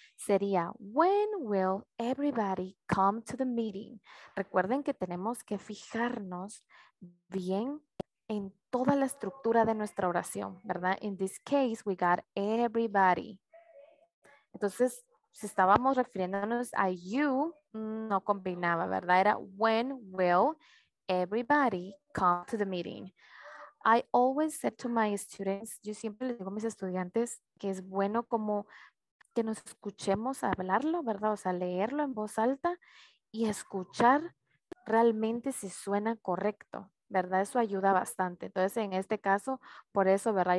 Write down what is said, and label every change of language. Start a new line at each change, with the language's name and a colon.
Spanish: Sería,
English: when will everybody come to the meeting?
Spanish: Recuerden que tenemos que fijarnos bien en toda la estructura de nuestra oración, ¿verdad?
English: In this case, we got everybody.
Spanish: Entonces, si estábamos refiriéndonos a you, no combinaba, ¿verdad? Era,
English: when will everybody come to the meeting? I always said to my students,
Spanish: yo siempre les digo a mis estudiantes que es bueno como que nos escuchemos hablarlo, ¿verdad? O sea, leerlo en voz alta y escuchar realmente si suena correcto, ¿verdad? Eso ayuda bastante. Entonces, en este caso, por eso, ¿verdad?